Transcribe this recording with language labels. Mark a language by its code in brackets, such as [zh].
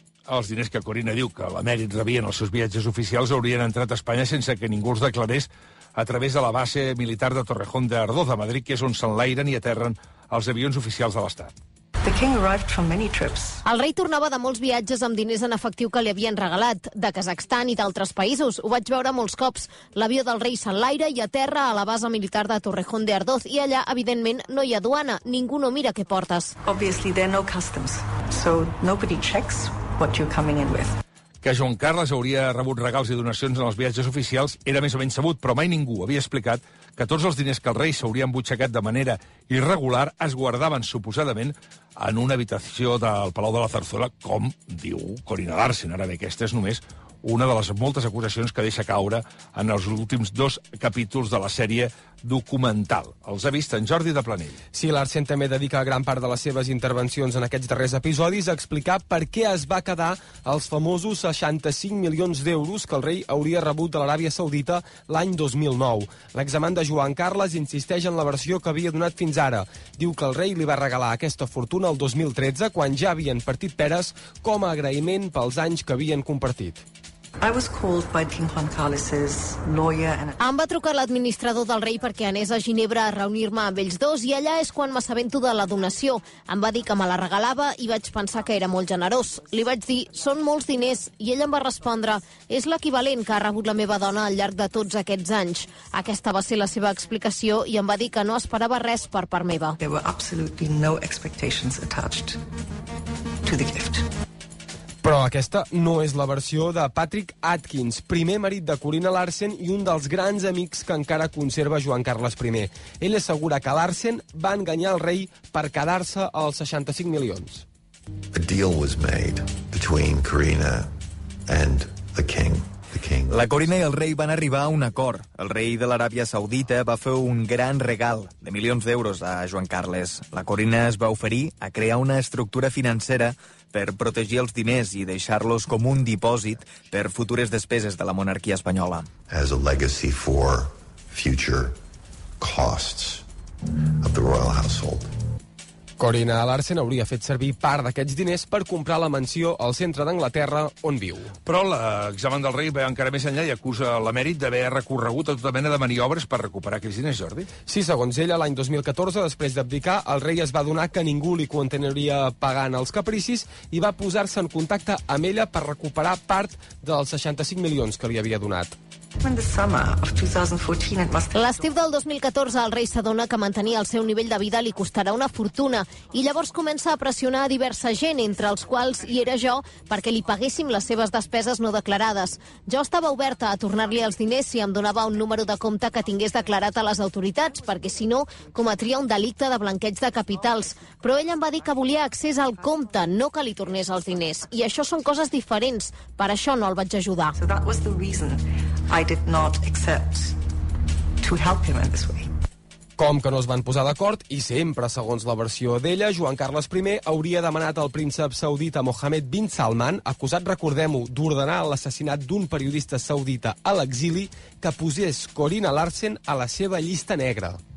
[ca] Els diners que Corinne diu que l'emèrit rebia en els seus viatges oficials haurien entrat a Espanya sense que ningú els declarés a través de la base militar de Torrejón de Ardoz, a Madrid, que és on s'enlairen i aterren els avions oficials de l'Estat. [en] The king arrived from many trips. [ca] El rei tornava de molts viatges amb diners en efectiu que li havien regalat, de Kazakhstan i d'altres països. Ho vaig veure molts cops. L'avió del rei s'enlaira i aterra a la base militar de Torrejón de Ardoz, i allà, evidentment, no hi ha duana. Ningú no mira què portes. [en] Obviously, there are no customs, so nobody checks what you're coming in with. [ca] Que Joan Carles hauria rebut regals i donacions en els viatges oficials era més o menys sabut, però mai ningú havia explicat que tots els diners que el rei s'hauria embutxacat de manera irregular es guardaven, suposadament, en una habitació del Palau de la Zarzuela, com diu Corinne Larsen. Ara bé, aquesta és només una de les moltes acusacions que deixa caure en els últims dos capítols de la sèrie documental. Els ha vist en Jordi de Planell. Sí, Larsen també dedica gran part de les seves intervencions en aquests darrers episodis a explicar per què es va quedar els famosos 65 milions d'euros que el rei hauria rebut de l'Aràbia Saudita l'any 2009. L'examen de Joan Carles insisteix en la versió que havia donat fins ara. Diu que el rei li va regalar aquesta fortuna el 2013, quan ja havien partit peres, com a agraïment pels anys que havien compartit. [en] I was called by King Juan Carlos's lawyer and [ca] em va trucar l'administrador del rei perquè anés a Ginebra a reunir-me amb ells dos, i allà és quan m'assabento de la donació. Em va dir que me la regalava i vaig pensar que era molt generós. Li vaig dir, són molts diners, i ell em va respondre, és l'equivalent que ha rebut la meva dona al llarg de tots aquests anys. Aquesta va ser la seva explicació, i em va dir que no esperava res per part meva. [en] There were absolutely no expectations attached to the gift. [ca] Però aquesta no és la versió de Patrick Atkins, primer marit de Corinne Larsen i un dels grans amics que encara conserva Joan Carles I. Ell assegura que Larsen va enganyar el rei per quedar-se als 65 milions. [en] A deal was made between Corinne and the king. [ca] La Corinne i el rei van arribar a un acord. El rei de l'Aràbia Saudita va fer un gran regal de milions d'euros a Joan Carles. La Corinne es va oferir a crear una estructura financera per protegir els diners i deixar-los com un dipòsit per futures despeses de la monarquia espanyola. [en] As a legacy for future costs of the royal household. [ca] Corina Larsen hauria fet servir part d'aquests diners per comprar la mansió al centre d'Anglaterra on viu. Però l'examen del rei ve encara més enllà i acusa l'emèrit d'haver recorregut a tota mena de maniobres per recuperar aquests diners, Jordi. Sí, segons ella, l'any 2014, després d'abdicar, el rei es va adonar que ningú li continuaria pagant els capricis i va posar-se en contacte amb ella per recuperar part dels 65 milions que li havia donat. L'estiu del 2014, el rei s'adona que mantenir el seu nivell de vida li costarà una fortuna i llavors comença a pressionar a diversa gent, entre els quals hi era jo, perquè li paguéssim les seves despeses no declarades. Jo estava oberta a tornar-li els diners si em donava un número de compte que tingués declarat a les autoritats, perquè, si no, cometria un delicte de blanqueig de capitals. Però ell em va dir que volia accés al compte, no que li tornés els diners. I això són coses diferents. Per això no el vaig ajudar. [en] I did not accept to help him in this way. [ca] Com que no es van posar d'acord, i sempre segons la versió d'ella, Joan Carles I hauria demanat al príncep saudita Mohammed bin Salman, acusat, recordem-ho, d'ordenar l'assassinat d'un periodista saudita a l'exili, que posés Corina Larsen a la seva llista negra.